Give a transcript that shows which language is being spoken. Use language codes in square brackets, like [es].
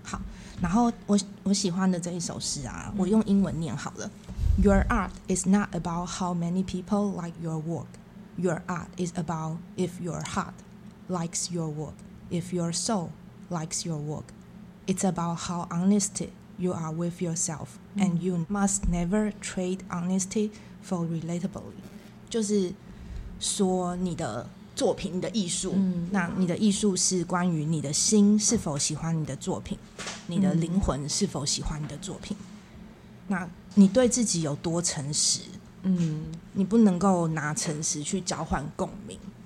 [zh] 好，然后 我喜欢的这一首诗啊，我用英文念好了。 [en] Your art is not about how many people like your work. Your art is about if your heart likes your work, if your soul likes your work. It's about how honest you are with yourself, and you must never trade honesty for relatability. [zh] 就是说你的作品，你的艺术，那你的艺术是关于你的心是否喜欢你的作品，你的灵魂是否喜欢你的作品，那你对自己有多诚实，你不能够拿诚实去交换共鸣。